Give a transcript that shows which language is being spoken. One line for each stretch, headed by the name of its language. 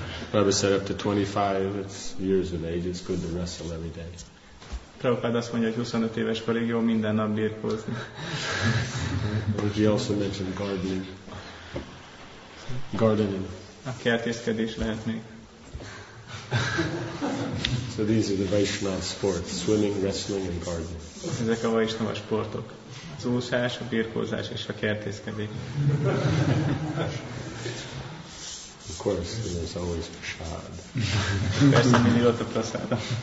English: Prabhupada said up to 25 years of age, it's good to wrestle every day.
Hungarian: Prabhupada azt mondja, hogy 25 éves korig jó minden nap birkózni.
English: But he also mentioned gardening. Gardening.
Hungarian: A kertészkedés lehet még.
English: So these are the Vaishnava sports, swimming, wrestling and gardening.
Hungarian: Ezek a Vaishnava sportok. Az úszás, a birkózás és a kertészkedés.
English: Of course, there's always prasad.
Hungarian: Persze, mindig ott a prasad.